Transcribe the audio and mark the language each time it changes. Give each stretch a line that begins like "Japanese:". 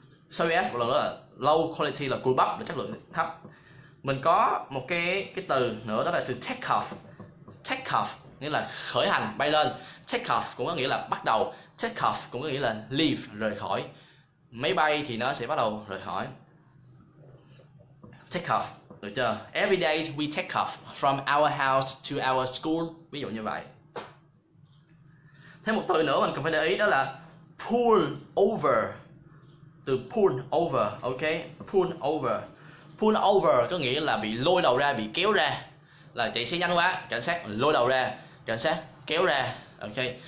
Vietnamese: Sorry as một lần nữa là
English: low quality,
Vietnamese: là cùi bắp, là chất lượng thấp. Mình có một cái từ nữa đó là từ
English: take off. Take off
Vietnamese: nghĩa là khởi hành, bay lên.
English: Take off
Vietnamese: cũng có nghĩa là bắt đầu. Take off cũng có nghĩa là
English: leave,
Vietnamese: rời khỏi. Máy bay thì nó sẽ bắt đầu rời khỏi.
English: Take off,
Vietnamese: được chưa?
English: Every day we take off from our house to our school.
Vietnamese: Ví dụ như vậy. Thêm một từ nữa mình cần phải để ý đó là
English: pull over.
Vietnamese: Từ pull over, ok?
English: Pull over.
Vietnamese: Pull over có nghĩa là bị lôi đầu ra, bị kéo ra. Là chạy xe nhanh quá, cảnh sát lôi đầu ra, cảnh sát kéo ra, ok?